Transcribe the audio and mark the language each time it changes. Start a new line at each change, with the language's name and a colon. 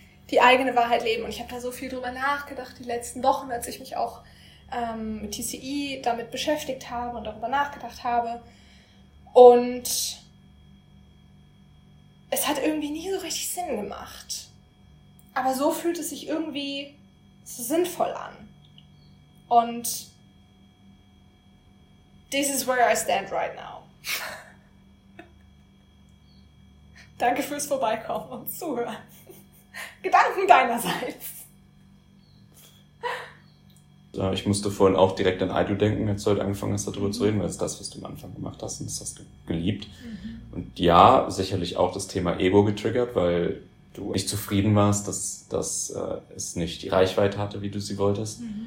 German: Die eigene Wahrheit leben. Und ich habe da so viel drüber nachgedacht die letzten Wochen, als ich mich auch mit TCI damit beschäftigt habe und darüber nachgedacht habe. Und es hat irgendwie nie so richtig Sinn gemacht. Aber so fühlt es sich irgendwie so sinnvoll an. Und
English: this is where I stand right now.
German: Danke fürs Vorbeikommen und Zuhören. Gedanken deinerseits. Ja, ich musste vorhin auch direkt an Idol denken, als du heute angefangen hast, darüber zu reden, weil es das, was du am Anfang gemacht hast, und das hast du geliebt. Und ja, sicherlich auch das Thema Ego getriggert, weil du nicht zufrieden warst, dass es nicht die Reichweite hatte, wie du sie wolltest.